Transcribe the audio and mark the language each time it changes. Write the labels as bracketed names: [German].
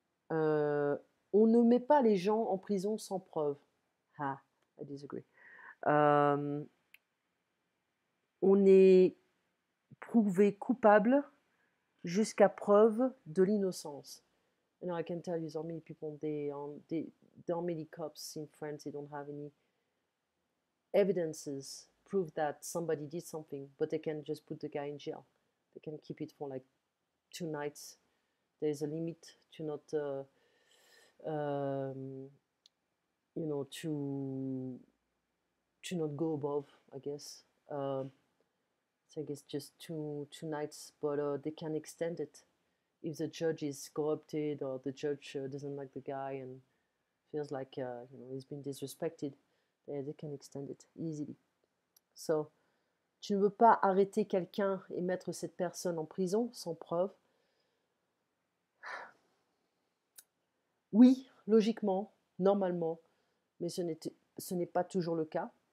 [French] On ne met pas les gens en prison sans preuve. [English] Ah, I disagree. [French] On est prouvé coupable jusqu'à preuve de l'innocence. [English] You know, I can tell you, so many people, there are many cops in France, they don't have any evidences. Prove that somebody did something, but they can just put the guy in jail. They can keep it for like 2 nights. There is a limit to not, you know, to not go above, I guess. So I guess just two nights, but they can extend it if the judge is corrupted or the judge doesn't like the guy and feels like you know he's been disrespected. They can extend it easily. [French] So, tu ne veux pas arrêter quelqu'un et mettre cette personne en prison sans preuve? Oui, logiquement, normalement, mais ce n'est pas toujours le cas.